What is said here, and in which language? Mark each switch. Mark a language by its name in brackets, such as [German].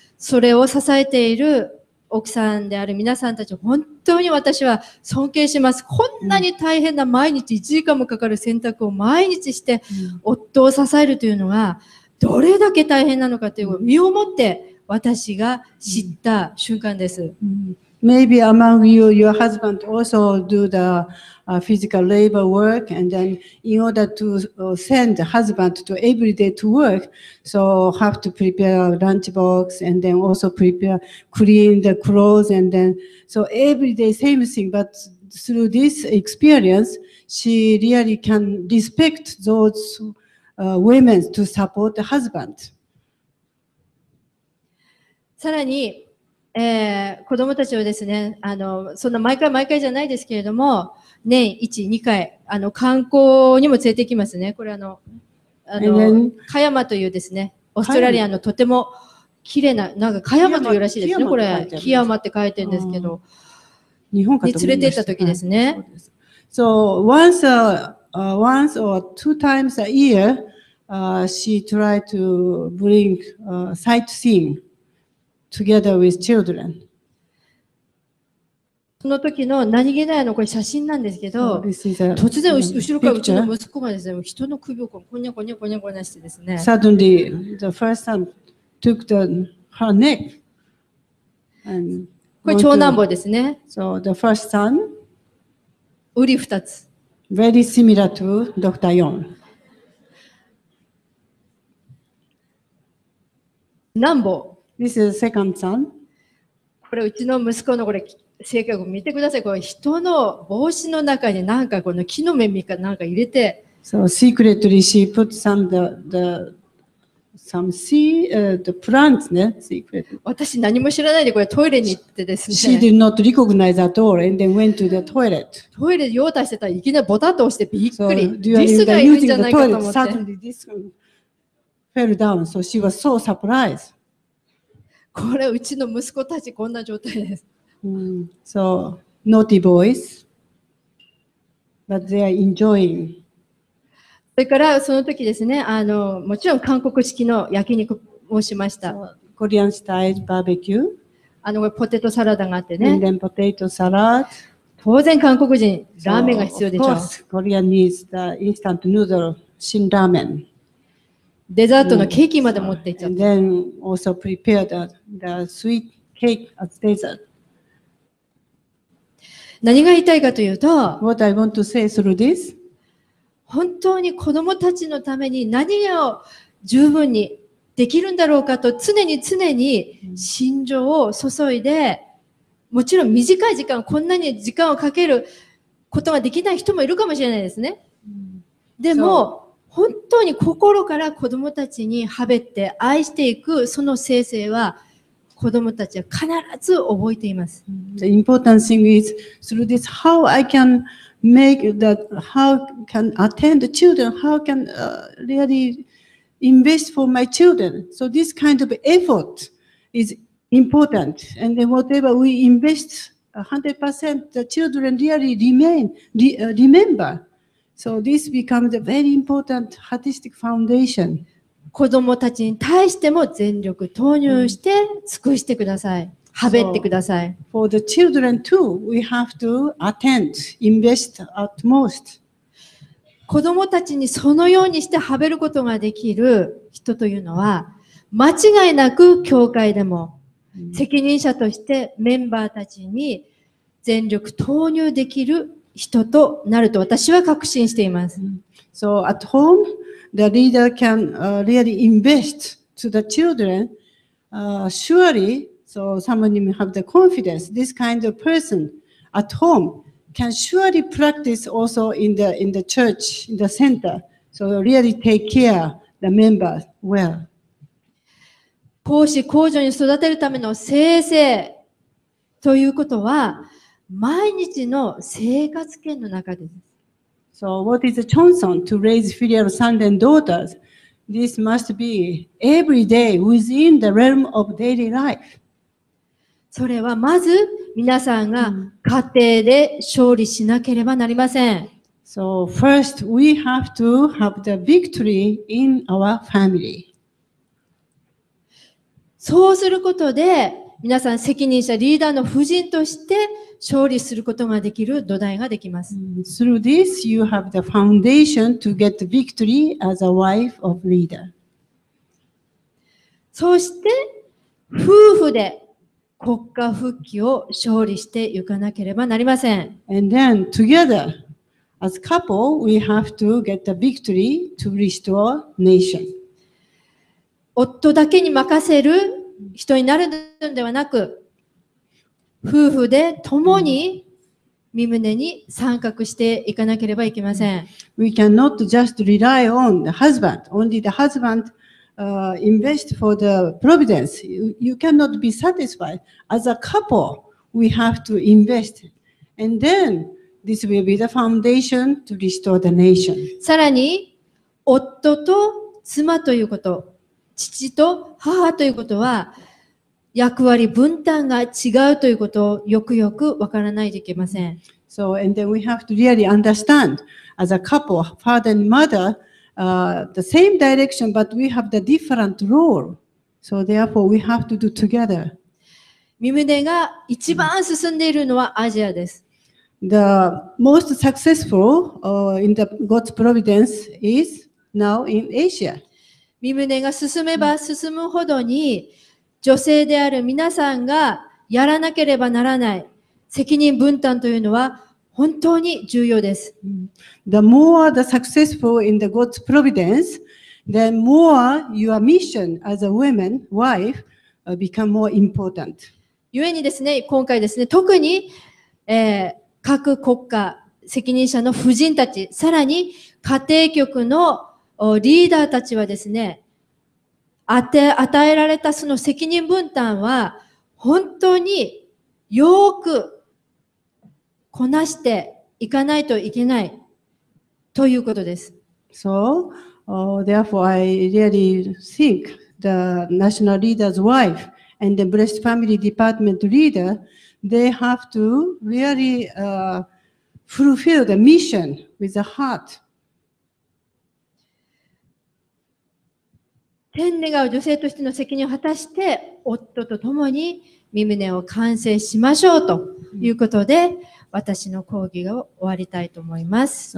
[Japanese] それを支えている奥さんである皆さんたち、本当に私は尊敬します。こんなに大変な毎日、1時間もかかる選択を毎日して、夫を支えるというのが、どれだけ大変なのかというのを身をもって私が知った瞬間です。 [English] Maybe among you, your husband also do the、physical labor work, and then in order to、send husband to every day to work, so have to prepare lunch box and then also prepare clean the clothes and then so every day same thing. But through this experience, she really can respect those、women to support the husband. [Japanese] さらに子供たちをですね、そんな毎回毎回じゃないですけれども、年1、2回、観光にも連れて行きますね。これ鹿山というですね、オーストラリアのとても綺麗な、なんか鹿山というらしいですね、これ。木山って書いてるんですけど。日本から連れて行った時ですね。 [English] そう、once or two times a year, she tried to bring sightseeing. Together with children. [Japanese] その時の何気ないのこれ写真なんですけど、突然後ろからうちの息子がですね、人の首をこにゃこにゃこにゃこにゃしてですね。 [English] Suddenly, the first son took the her neck. [Japanese] これ長男坊ですね。 [English] So the first son, [Japanese] ウリ二つ。 [English] Very similar to Dr. Yon. [Japanese] 南坊。 [English] This is second son. [Japanese] これうちの息子のこれ性格を見てください。これ人の帽子の中に何かこの木の芽みかなんか入れて。 [English] So secretly she put some the plants, ね、secret. [Japanese] 私何も知らないでこれトイレに行ってですね。 [English] She did not recognize at all and then went to the toilet. [Japanese] トイレで用を足してたらいきなりボタッと押してびっくり。 [English] So, [Japanese] リスがいるんじゃないかと思って。 [English] Suddenly this fell down. So she was so surprised. これうちの息子たちこんな状態です。 So naughty boys, but they are enjoying. [Japanese] それからその時ですね、もちろん韓国式の焼肉をしました。 [English] コリアンスタイルバーベキュー。 [Japanese] これポテトサラダがあってね。 [English] And then potato salad. [Japanese] 当然韓国人ラーメンが必要でしょう。 [English] Of course, Korean needs the instant noodle, 辛ラーメン。 [Japanese] デザートのケーキまで持って行っちゃった。 [English] And then also prepared the sweet cake as dessert. [Japanese] 何が言いたいかというと、 [English] What I want to say through this? [Japanese] 本当に子供たちのために何を十分にできるんだろうかと常に常に心情を注いで、もちろん短い時間、こんなに時間をかけることができない人もいるかもしれないですね。でも、本当に心から子供たちにはべって愛していくその精神は子供たちは必ず覚えています。 [English] The important thing is through this, how I can make that, how can attend the children, how can really invest for my children. So this kind of effort is important. And then whatever we invest 100%, the children really remember. So this becomes a very important artistic foundation. [Japanese] 子供たちに対しても全力投入して尽くしてください。はべってください。 [English] So, for the children too, we have to attend, invest at most. [Japanese] 子供たちにそのようにしてはべることができる人というのは、間違いなく教会でも責任者としてメンバーたちに全力投入できる人となると私は確信しています。 [English] So at home, the leader can really invest to the children. Surely, so someone may have the confidence. This kind of person at home can surely practice also in the church, in the center. So really take care the members well. [Japanese] 公私公助に育てるための精誠ということは、毎日の生活圏の中で。 [English] So what is a chanson to raise filial sons and daughters? This must be every day within the realm of daily life. [Japanese] それはまず皆さんが家庭で勝利しなければなりません。 [English] So first we have to have the victory in our family. [Japanese] そうすることで皆さん責任者リーダーの夫人として勝利することができる土台ができます。 [English] Through this you have the foundation to get victory as a wife of leader. [Japanese] そして夫婦で国家復帰を勝利していかなければなりません。 [English] And then together as couple we have to get the victory to restore nation. [Japanese] 夫だけに任せる人になるのではなく、夫婦で共に御旨に参画していかなければいけません。 [English] We cannot just rely on the husband, only the husband, invest for the providence. You cannot be satisfied. As a couple, we have to invest. And then, this will be the foundation to restore the nation. [Japanese] さらに、夫と妻ということ。父と母ということは役割分担が違うということをよくよく分からないといけません。 [English] So, and then we have to really understand as a couple, father and mother, the same direction, but we have the different role. So therefore, we have to do together. [Japanese] 御旨が一番進んでいるのはアジアです。 [English] The most successful, in the God's providence is now in Asia. [Japanese] 御旨が進めば進むほどに女性である皆さんがやらなければならない責任分担というのは本当に重要です。 [English] The more the successful in the God's providence, the more your mission as a woman, wife, become more important. [Japanese] 故にですね、今回ですね、特に、各国家責任者の夫人たち、さらに家庭局のリーダーたちはですね、与えられたその責任分担は本当によくこなしていかないといけないということです。 [English] So, therefore I really think the national leader's wife and the blessed family department leader, they have to really, fulfill the mission with a heart. [Japanese] 天願う女性としての責任を果たして、夫と共に御旨を完成しましょうということで、私の講義を終わりたいと思います。